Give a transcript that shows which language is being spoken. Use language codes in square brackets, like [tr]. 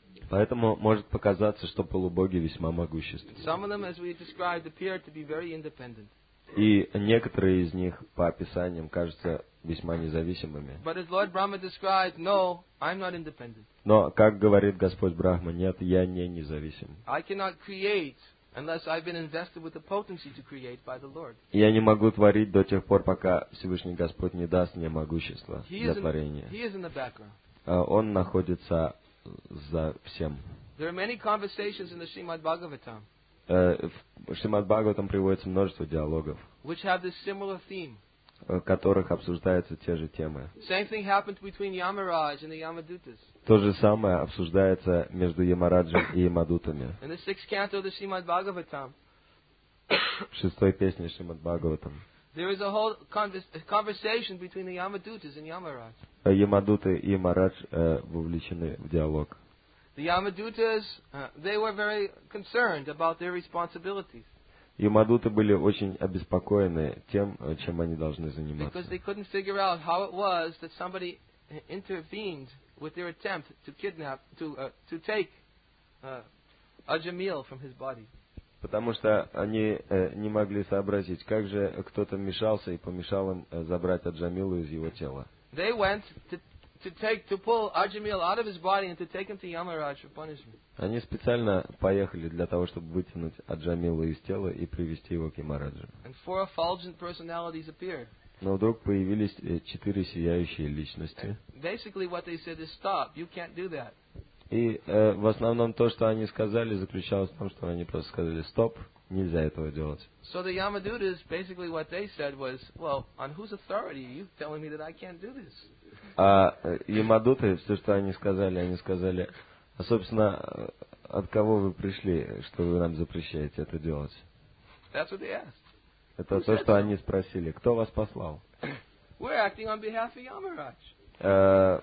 [ru] Поэтому может показаться, что полубоги весьма могущественны. И некоторые из них, по описаниям, кажутся весьма независимыми. [en] But as Lord Brahma described, no, I'm not independent. [ru] Но, как говорит Господь Брахма, нет, я не независим. [en] I cannot create unless I've been invested with the potency to create by the Lord. [ru] Я не могу творить до тех пор, пока Всевышний Господь не даст мне могущество для творения. [en] He is in the background. [ru] Он находится за всем. [en] There are many conversations in the Srimad Bhagavatam. [ru] В Шримад-Бхагаватам приводится множество диалогов, [en] which have this similar theme. [ru] В которых обсуждаются те же темы. [en] Same thing happened between Yamaraj and the Yamadutas. [ru] То же самое обсуждается между Ямараджем и Ямадутами. [en] In the sixth canto of the Shrimad-Bhagavatam, [ru] в шестой песне Шримад-Бхагаватам, [en] there is a whole conversation between the Yamadutas and Yamaraj. [ru] Ямадуты и Ямарадж вовлечены в диалог. [en] The Yamadutas, they were very concerned about their responsibilities. [ru] Ямадуты были очень обеспокоены тем, чем они должны заниматься. [en] Because they couldn't figure out how it was that somebody intervened with their attempt to kidnap, to take Аджамил from his body. [ru] Потому что они не могли сообразить, как же кто-то мешался и помешал им забрать Аджамилу из его тела. [en] They went to pull Аджамил out of his body and to take him to Ямарадж for punishment. [ru] Они специально поехали для того, чтобы вытянуть Аджамилу из тела и привести его к Ямараджу. [en] And four effulgent personalities appeared. [ru] Но вдруг появились четыре сияющие личности. [en] Basically, what they said is stop. You can't do that. [ru] И в основном то, что они сказали, заключалось в том, что они просто сказали: стоп, нельзя этого делать. [en] So the Yamadutas, basically what they said was, well, on whose authority are you telling me that I can't do this? [ru] А Ямадуты, все, что они сказали, а собственно, от кого вы пришли, что вы нам запрещаете это делать? [en] That's what they asked. [ru] Это то, что они спросили. Кто вас послал? [en] We're acting on behalf of Yamaraj.